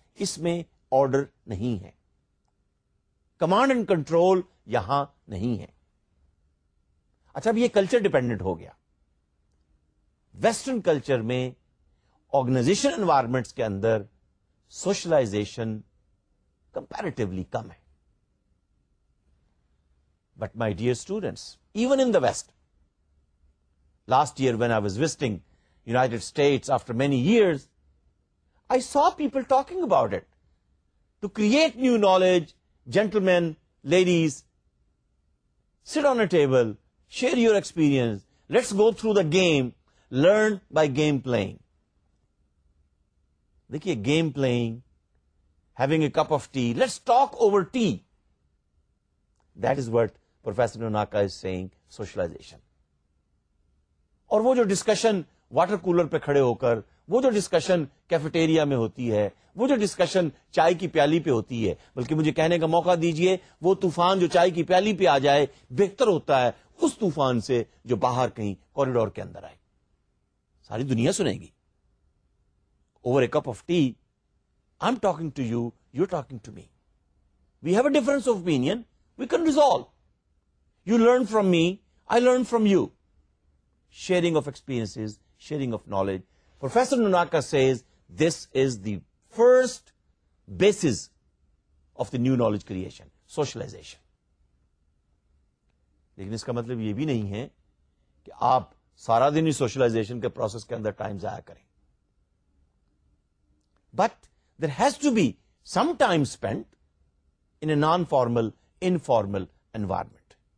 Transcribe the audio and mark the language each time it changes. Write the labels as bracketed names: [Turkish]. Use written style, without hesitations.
[Urdu] اس میں آرڈر نہیں ہے, کمانڈ اینڈ کنٹرول یہاں نہیں ہے. اچھا, اب یہ کلچر ڈیپینڈنٹ ہو گیا. ویسٹرن کلچر میں آرگنائزیشن انوائرمنٹس کے اندر سوشلائزیشن کمپیریٹیولی کم ہے. [English] But my dear students, even in the West, last year when I was visiting United States after many years, I saw people talking about it. To create new knowledge, gentlemen, ladies, sit on a table, share your experience, let's go through the game, learn by game playing. [Urdu] Dekhiye, [English] game playing, having a cup of tea, let's talk over tea. That is what Professor Nunaka is saying, socialization. [Urdu] اور وہ جو discussion water cooler پہ کھڑے ہو کر, وہ جو discussion cafeteria میں ہوتی ہے, وہ جو discussion چائے کی پیالی پہ ہوتی ہے, بلکہ مجھے کہنے کا موقع دیجئے, وہ طوفان جو چائے کی پیالی پہ آ جائے بہتر ہوتا ہے اس طوفان سے جو باہر کہیں کوریڈور کے اندر آئے. ساری دنیا سنے گی. [English] Over a cup of tea, I'm talking to you, you're talking to me. We have a difference of opinion, we can resolve. You learn from me, I learn from you. Sharing of experiences, sharing of knowledge. Professor Nunaka says this is the first basis of the new knowledge creation, socialization. [Urdu] لیکن اس کا مطلب یہ بھی نہیں ہے کہ آپ سارا دن ہی socialization کے process کے اندر time ضائع کریں. [English] but there has to be some time spent in a non-formal, informal environment.